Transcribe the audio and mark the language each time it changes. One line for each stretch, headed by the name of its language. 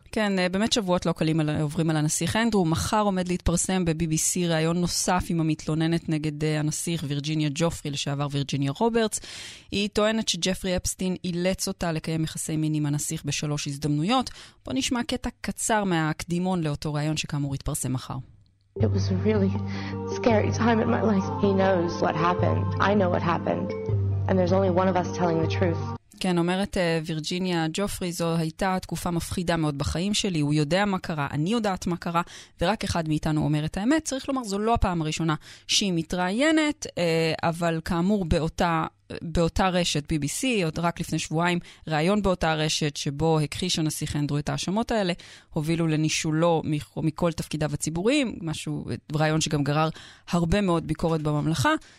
Hebrew: כן, באמת שבועות לא קלים עוברים על הנסיך אנדרו. מחר עומד להתפרסם ב-BBC רעיון נוסף עם המתלוננת נגד הנסיך וירג'יניה ג'ופרי, לשעבר וירג'יניה רוברטס. היא טוענת שג'פרי אפסטין אילץ אותה לקיים יחסי מין עם הנסיך בשלוש הזדמנויות. בוא נשמע קטע קצר מהקדימון לאותו רעיון שכאמור יתפרסם מחר.
English: It was a really scary time in my life. He knows what happened. I know what happened. And there's only one of us telling the truth.
Hebrew: כן, אומרת וירג'יניה ג'ופרי, זו הייתה תקופה מפחידה מאוד בחיים שלי, הוא יודע מה קרה, אני יודעת מה קרה, ורק אחד מאיתנו אומר את האמת. צריך לומר, זו לא הפעם הראשונה שהיא מתראיינת, אבל כאמור באותה רשת BBC, עוד רק לפני שבועיים, רעיון באותה רשת שבו הכחיש הנסיך אנדרו את האשמות האלה, הובילו לנישולו מכל תפקידיו הציבוריים, משהו, רעיון שגם גרר הרבה מאוד ביקורת בממלכה.